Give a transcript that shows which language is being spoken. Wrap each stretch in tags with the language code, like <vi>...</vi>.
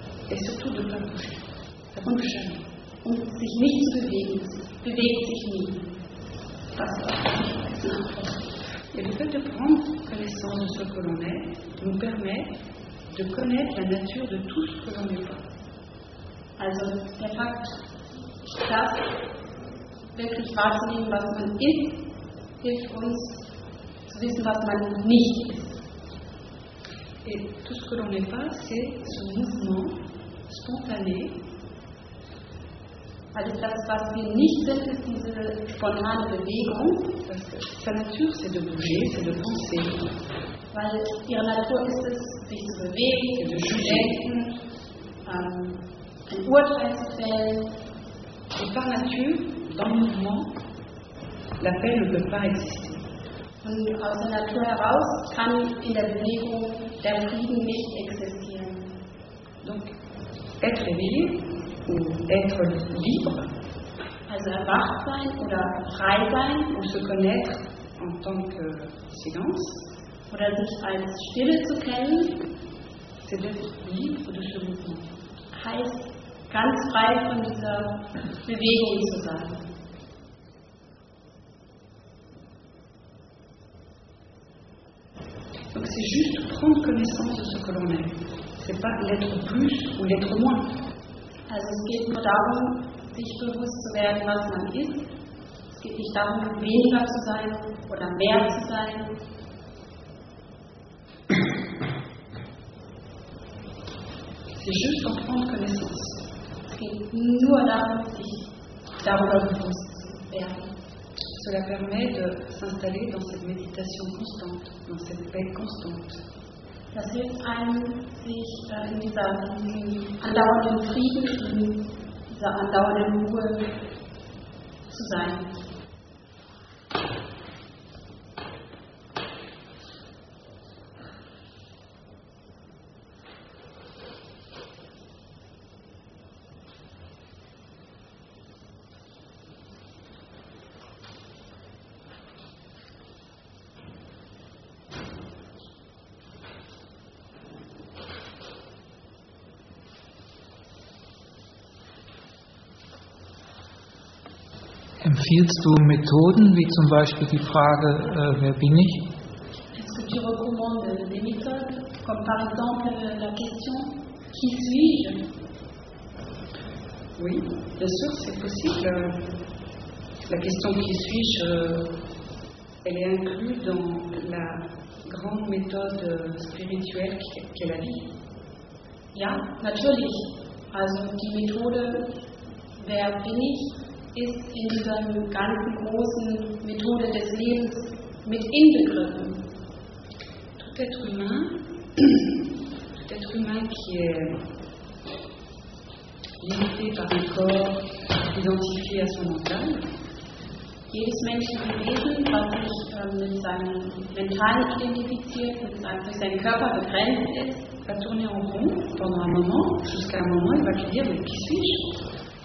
<fr>Et surtout de ne pas bouger. Ça ne bouge jamais.</fr> <de>und sich nicht zu bewegen, bewegt sich nie. Das ist auch.</de> <fr>Et le fait de prendre connaissance de ce que l'on est nous permet de connaître la nature de tout ce que l'on n'est pas.</fr> <de>Also der Fakt, das wirklich wahrzunehmen, was man ist, hilft uns zu wissen, was man nicht ist.</de> <fr>Et tout ce que l'on n'est pas, c'est ce mouvement spontané.</fr> <de>Alles das, was wir nicht sind, ist diese spontane Bewegung.</de> <fr>Sa nature, c'est de bouger, c'est de penser.</fr> <de>Weil ihre Natur ist es, sich zu bewegen,</de> <fr>c'est de</fr> <de>zu denken, ein Urteil zu fällen.</de> <fr>Et par nature, dans le mouvement, la paix ne peut pas exister.</fr> <de>Und aus der Natur heraus kann in der Bewegung der Frieden nicht existieren.</de> <fr>Donc, être éveillé ou être libre,</fr> <de>also erwacht sein oder frei sein,</de> <fr>ou se connaître en tant que silence,</fr> <de>oder sich als Stille zu kennen,</de> <fr>c'est d'être libre de ce mouvement.</fr> <de>Heißt, ganz frei von dieser Bewegung zu sein.</de> <fr>Donc c'est juste prendre connaissance de ce que l'on est. C'est pas l'être plus ou l'être moins.</fr> <de>Also es geht nur darum, sich bewusst zu werden, was man ist. Es geht nicht darum, weniger zu sein oder mehr zu sein.</de> <fr>C'est juste prendre connaissance.</fr> <de>Es geht nur darum, sich darüber bewusst zu werden.</de> <fr>Cela permet de s'installer dans cette méditation constante, dans cette paix constante.</fr> <de>Das hilft einem, sich in dieser andauernden Frieden, in dieser andauernden Ruhe zu sein. Empfiehlst du Methoden, wie zum Beispiel die Frage, wer bin ich?</de> <fr>Est-ce que tu recommandes des méthodes, comme par exemple la question, qui suis-je? Oui, bien sûr, c'est possible. La question, qui suis-je, elle est inclue dans la grande méthode spirituelle qu'est la vie.</fr> <de>Ja, natürlich. Also, die Methode, wer bin ich? Ist in dieser ganzen großen Methode des Lebens mit inbegriffen.</de> <fr>Tout être humain qui est limité par un corps identifié à son mental,</fr> <de>jedes menschliche Wesen, was sich mit seinem Mental identifiziert, mit seinem, durch seinen Körper begrenzt ist,</de> <fr>va tourner en rond pendant un moment, jusqu'à un moment, il va lui dire, mais qui suis-je?</fr>